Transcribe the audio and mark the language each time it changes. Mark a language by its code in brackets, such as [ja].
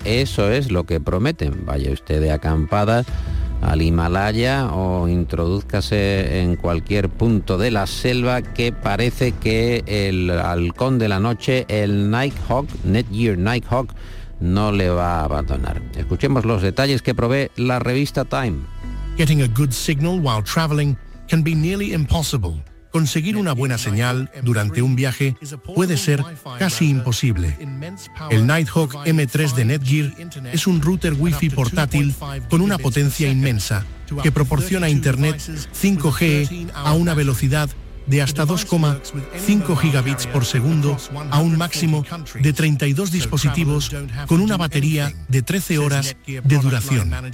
[es] Eso es lo que prometen. Vaya usted de acampada al Himalaya o introdúzcase en cualquier punto de la selva, que parece que el halcón de la noche, el Nighthawk, Netgear Nighthawk, no le va a abandonar. Escuchemos los detalles que provee la revista Time. [en] Getting a good signal while traveling can be nearly impossible. [es] Conseguir una buena señal durante un viaje puede ser casi imposible. El Nighthawk M3 de Netgear es un router Wi-Fi portátil con una potencia inmensa que proporciona internet 5G a una velocidad de hasta 2,5 gigabits por segundo a un máximo de 32 dispositivos con una batería de 13 horas de duración.